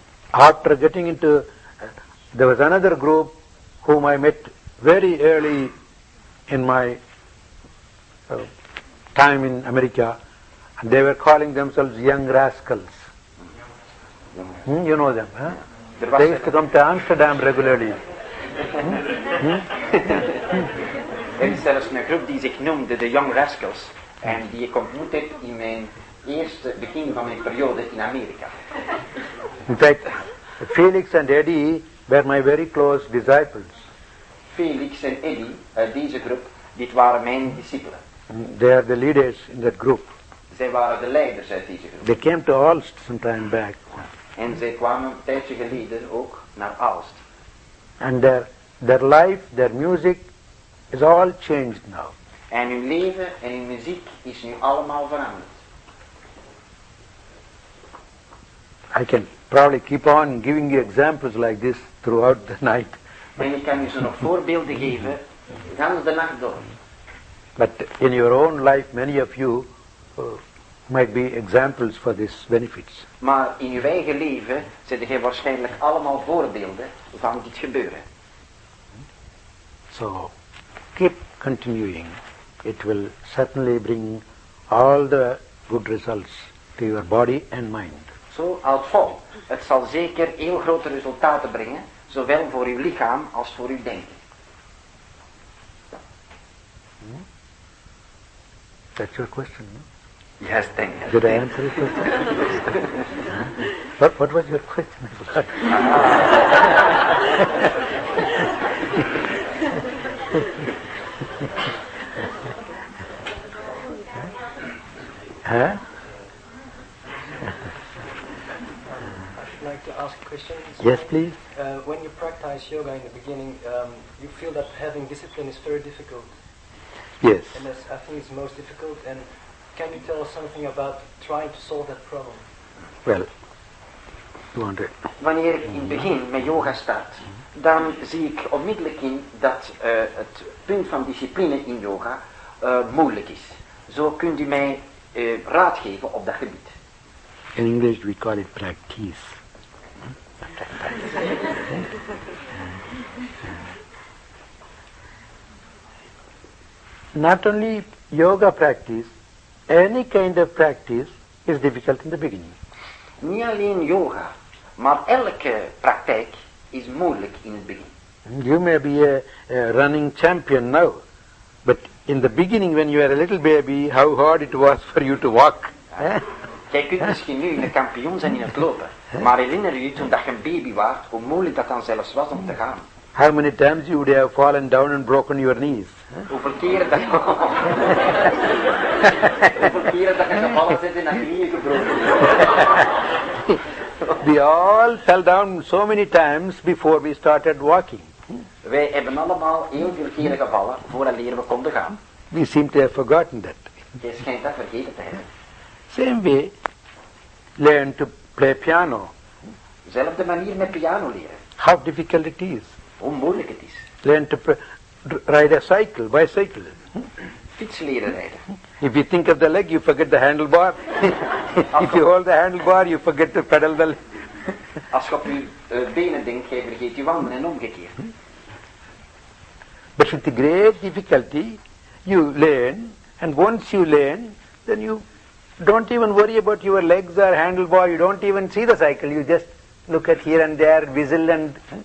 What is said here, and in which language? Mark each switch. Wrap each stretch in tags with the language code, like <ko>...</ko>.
<en>After getting into, there was another group whom I met very early in my time in America. And they were calling themselves Young Rascals. You know them, huh? They used to come to Amsterdam regularly.</en> <nl>Er is zelfs een groep die zich noemde de Young Rascals en die ik ontmoet heb in mijn eerste begin van mijn periode in Amerika.</nl> <en>In fact, Felix and Eddie were my very close disciples.</en> <nl>Felix en Eddie, deze groep, dit waren mijn discipelen.</nl> <en>They are the leaders in that group.</en> <nl>Zij waren de leiders uit deze groep.</nl> <en>They came to Aalst some time back.</en> <nl>En zij kwamen een tijdje geleden ook naar Aalst.</nl> <en>And their life, their music, is all changed now.</en> <nl>En uw leven en uw muziek is nu allemaal veranderd.</nl> <en>I can probably keep on giving you examples like this throughout the night.</en> <nl>En ik kan u zo nog voorbeelden geven, gans de nacht door.</nl> <en>But in your own life, many of you might be examples for these benefits.</en> <nl>Maar in uw eigen leven zitten jij waarschijnlijk allemaal voorbeelden van dit gebeuren.</nl> <en>So, keep continuing. It will certainly bring all the good results to your body and mind.</en> <nl>So, houd vol. Het zal zeker heel grote resultaten brengen, zowel voor uw lichaam als voor uw denken.</nl> <en>That's your question, no? Yes, thank you. Did I answer your question? What was your question? I forgot. I'd like to ask questions. Yes, please. When you practice yoga in the beginning, you feel that having discipline is very difficult. Yes. And that's, I think it's most difficult. And can you tell us something about trying to solve that problem? Well, you want it.</en> <nl>Wanneer ik in het begin met yoga start, dan zie ik onmiddellijk in dat het punt van discipline in yoga moeilijk is. Zo kunt u mij raad geven op dat gebied.</nl> <en>In English we call it practice. Practice. not only yoga practice, any kind of practice is difficult in the beginning.</en> <nl>Niet alleen yoga, maar elke praktijk is moeilijk in het begin.</nl> <en>You may be a running champion now, but in the beginning when you were a little baby, how hard it was for you to walk.</en> <nl>Jij kunt misschien nu een kampioen zijn in het lopen, maar herinner je toen dat je een baby was, hoe moeilijk dat dan zelfs was om te gaan.</nl> <en>How many times you would have fallen down and broken your knees?</en> <nl>Hoeveel keren dat je gevallen bent en dat je knieën gebroken hebt?</nl> <en>We all fell down so many times before we started walking.</en> <nl>Wij hebben allemaal heel veel keren gevallen voordat we konden gaan.</nl> <en>We seem to have forgotten that.</en> <nl>Jij schijnt dat vergeten te hebben.</nl> <en>Same way, learn to play piano.</en> <nl>Zelfde manier met piano leren.</nl> <en>How difficult it is.</en> <nl>Hoe moeilijk het is.</nl> <en>Learn to ride a cycle, bicycle.</en> <nl>Fiets leren rijden.</nl> <en>If you think of the leg, you forget the handlebar. If you hold the handlebar, you forget to pedal the leg.</en> <nl>Als je op je benen denkt, jij vergeet je wandelen en omgekeerd.</nl> <en>But with the great difficulty, you learn, and once you learn, then you don't even worry about your legs or handlebar, you don't even see the cycle, you just look at here and there, whistle and...</en>